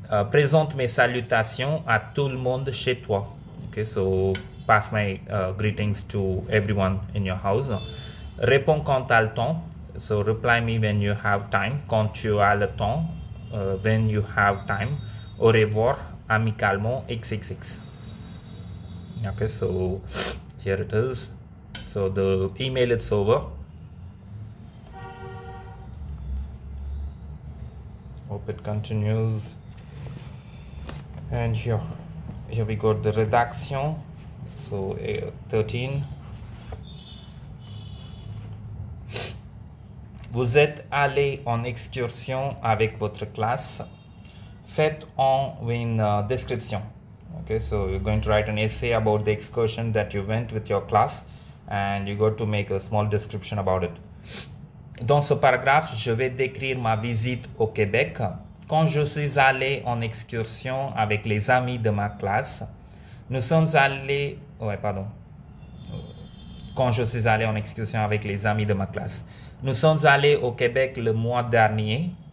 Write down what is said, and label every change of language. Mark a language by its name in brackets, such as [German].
[French] Présente mes salutations à tout le monde chez toi. [English] Okay, so pass my greetings to everyone in your house. [French] Réponds quand tu as le temps. [English] So reply me when you have time. [French] Quand tu as le temps. [English] When you have time. [French] Au revoir. Amicalement. XXX. [English] Okay, so here it is. So the email is over. Hope it continues. And here we got the redaction. So 13. [French] Vous êtes allé en excursion avec votre classe. Faites en une description. [English] Okay, so you're going to write an essay about the excursion that you went with your class. And you got to make a small description about it. [French] Dans ce paragraphe, je vais décrire ma visite au Québec. Quand je suis allé en excursion avec les amis de ma classe, nous sommes allés... Ouais, pardon. Quand je suis allé en excursion avec les amis de ma classe, nous sommes allés au Québec le mois dernier.